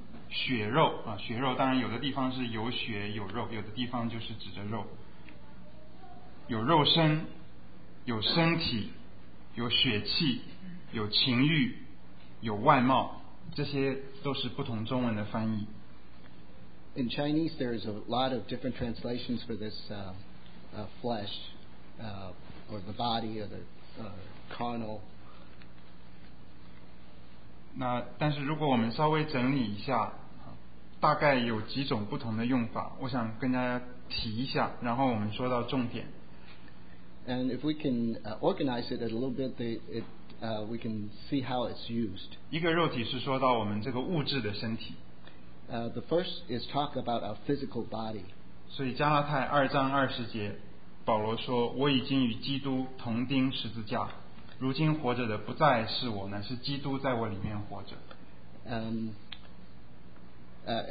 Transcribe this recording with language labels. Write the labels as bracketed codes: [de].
[zh] 血肉啊，血肉当然有的地方是有血有肉，有的地方就是指着肉，有肉身，有身体，有血气，有情欲，有外貌，这些都是不同中文的翻译。 [en] In Chinese, there is a lot of different translations for this flesh, or the body, or the carnal. [zh] 那但是如果我们稍微整理一下，大概有几种不同的用法，我想跟大家提一下，然后我们说到重点。 [en] And if we can organize it a little bit, we can see how it's used. [zh] 一个肉体是说到我们这个物质的身体。 [en] The first is talk about our physical body. [zh] 所以加拉太二章二十节，保罗说：“我已经与基督同钉十字架，如今活着的不再是我，乃是基督在我里面活着。”